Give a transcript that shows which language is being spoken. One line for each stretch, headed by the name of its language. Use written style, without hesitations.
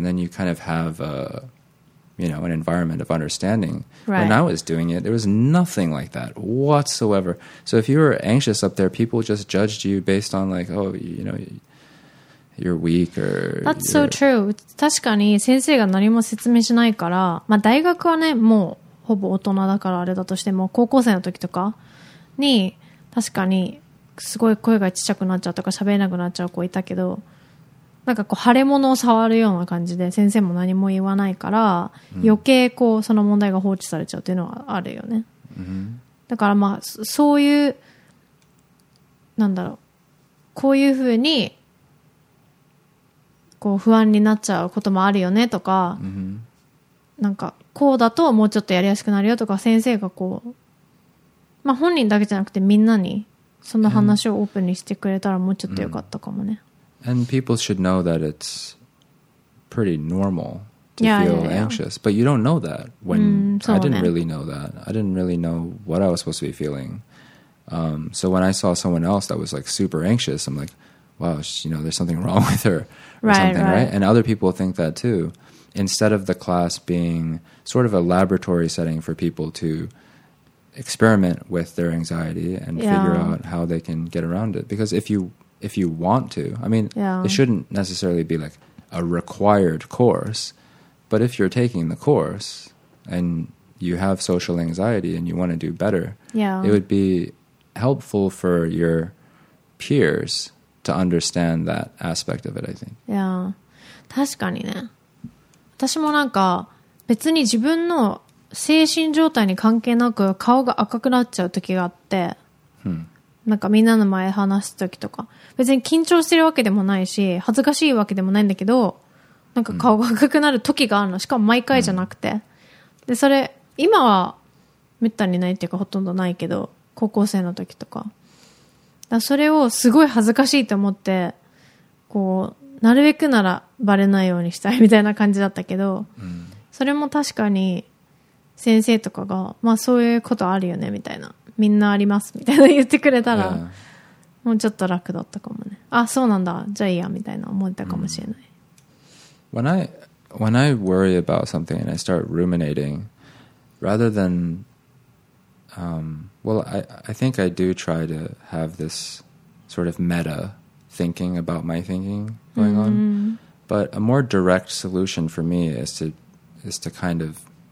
English: And then you kind of have, an environment of understanding. Right. When I was doing it, there was nothing like that whatsoever. So if you were anxious up there, people just judged you based on like, oh, you know... You're weak or... That's so true.
Japanese: 確かに先生が何も説明しないから、まあ大学はね、もうほぼ大人だからあれだとしても、高校生の時とかに、確かにすごい声がちっちゃくなっちゃうとか喋れなくなっちゃう子いたけど、なんかこう腫れ物を触るような感じで先生も何も言わないから、余計こうその問題が放置されちゃうっていうのはあるよね。だからまあ、そういう、なんだろう、こういうふうに、こう不安になっちゃうこともあるよねとか、なんかこうだともうちょっとやりやすくなるよとか先生がこう、まあ本人だけじゃなくてみんなにその話をオープンにしてくれたらもうちょっとよかったかもね。
English: And people should know that it's pretty normal to feel anxious, but you don't know that when I didn't really know that. I didn't really know what I was supposed to be feeling. So when I saw someone else that was like super anxious, I'm like, wow, you know, there's something wrong with her. Right. And other people think that too. Instead of the class being sort of a laboratory setting for people to experiment with their anxiety and figure out how they can get around it. Because if you want to, I mean, it shouldn't necessarily be like a required course. But if you're taking the course and you have social anxiety and you want to do better, it would be helpful for your peers to understand that aspect of it, I think.
Japanese: Yeah, 確かにね。私もなんか別に自分の精神状態に関係なく顔が赤くなっちゃう時があって、なんかみんなの前話す時とか、別に緊張してるわけでもないし恥ずかしいわけでもないんだけど、なんか顔が赤くなる時があるの。しかも毎回じゃなくて、でそれ今はめったにないっていうかほとんどないけど、高校生の時とか。だそれをすごい恥ずかしいと思って、こう、なるべくならバレないようにしたいみたいな感じだったけど、それも確かに先生とかが、まあそういうことあるよねみたいな、みんなありますみたいな言ってくれたら、もうちょっと楽だったかもね。あ、そうなんだ、じゃあいいやみたいな思ったかもしれない。
English: When I worry about something and I start ruminating, rather than, Well, I think I do try to have this sort of meta thinking about my thinking going on. But a more direct solution for me is to kind of